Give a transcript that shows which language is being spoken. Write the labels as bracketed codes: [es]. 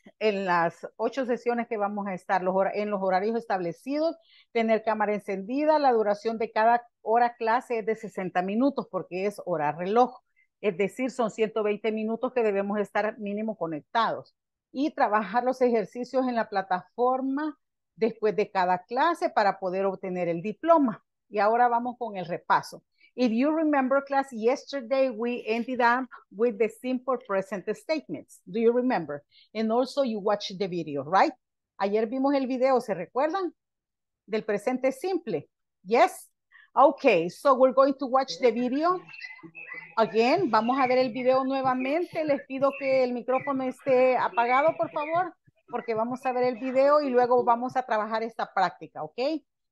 [es] En las 8 sesiones que vamos a estar, en los horarios establecidos, tener cámara encendida, la duración de cada hora clase es de 60 minutos porque es hora reloj, es decir, son 120 minutos que debemos estar mínimo conectados y trabajar los ejercicios en la plataforma después de cada clase para poder obtener el diploma. Y ahora vamos con el repaso. [en] If you remember class yesterday, we ended up with the simple present statements. Do you remember? And also you watched the video, right? [es] Ayer vimos el video, ¿se recuerdan? Del presente simple. Yes? [en] Okay, so we're going to watch the video again. [es] Vamos a ver el video nuevamente. Les pido que el micrófono esté apagado, por favor, porque vamos a ver el video y luego vamos a trabajar esta práctica, okay?